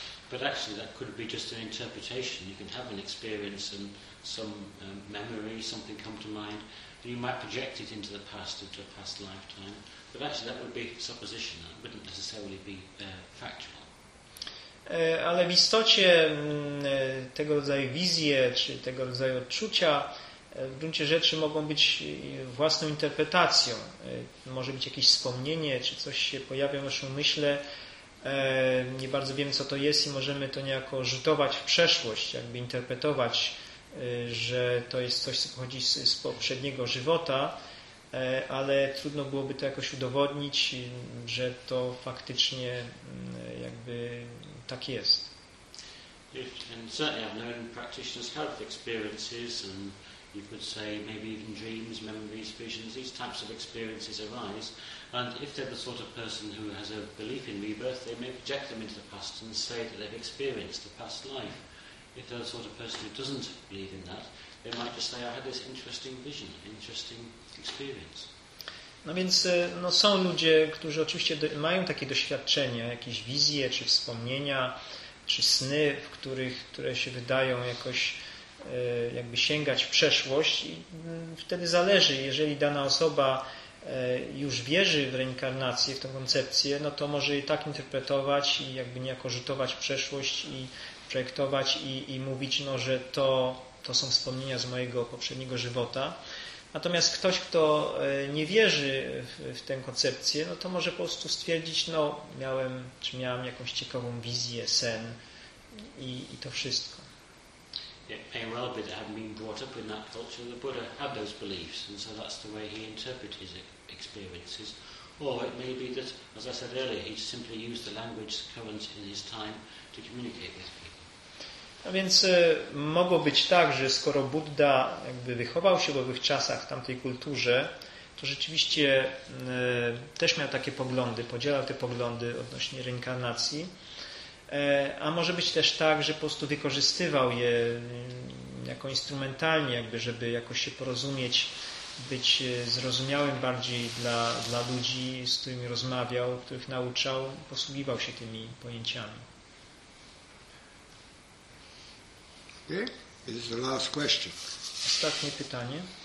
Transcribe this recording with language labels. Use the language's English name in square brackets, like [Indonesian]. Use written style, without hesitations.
[English] But actually that could be just an interpretation. You can have an experience and some memory, something come to mind, and you might project it into the past, into a past lifetime. But actually that would be supposition, that wouldn't necessarily be factual. [Polish] Ale w istocie tego rodzaju wizje czy tego rodzaju odczucia w gruncie rzeczy mogą być własną interpretacją. Może być jakieś wspomnienie, czy coś się pojawia w naszym umyśle. Nie bardzo wiemy, co to jest i możemy to niejako rzutować w przeszłość, jakby interpretować, że to jest coś, co pochodzi z poprzedniego żywota, ale trudno byłoby to jakoś udowodnić, że to faktycznie jakby tak jest. [English] And certainly I've known practitioners have experiences, and you could say maybe even dreams, memories, visions, these types of experiences arise, and if they're the sort of person who has a belief in rebirth, they may project them into the past and say that they've experienced a past life. If they're the sort of person who doesn't believe in that, they might just say, I had this interesting vision, interesting experience. [Polish] No więc no są ludzie, którzy oczywiście mają takie doświadczenia, jakieś wizje, czy wspomnienia, czy sny, które się wydają jakoś jakby sięgać w przeszłość. I wtedy zależy, jeżeli dana osoba już wierzy w reinkarnację, w tę koncepcję, no to może je tak interpretować i jakby niejako rzutować w przeszłość i projektować i mówić, no, że to są wspomnienia z mojego poprzedniego żywota. Natomiast ktoś, kto nie wierzy w tę koncepcję, no to może po prostu stwierdzić, no miałem jakąś ciekawą wizję, sen i to wszystko. [English] It may well be that having been brought up in that culture, the Buddha had those beliefs, and so that's the way he interpreted his experiences. Or it may be that, as I said earlier, he simply used the language current in his time to communicate with people. [Polish] A więc mogło być tak, że skoro Budda jakby wychował się w owych czasach, w tamtej kulturze, to rzeczywiście też miał takie poglądy, podzielał te poglądy odnośnie reinkarnacji. A może być też tak, że po prostu wykorzystywał je jako instrumentalnie, jakby, żeby jakoś się porozumieć, być zrozumiałym bardziej dla ludzi, z którymi rozmawiał, których nauczał, posługiwał się tymi pojęciami. [English] Okay. This is the last question. [Polish] Ostatnie pytanie.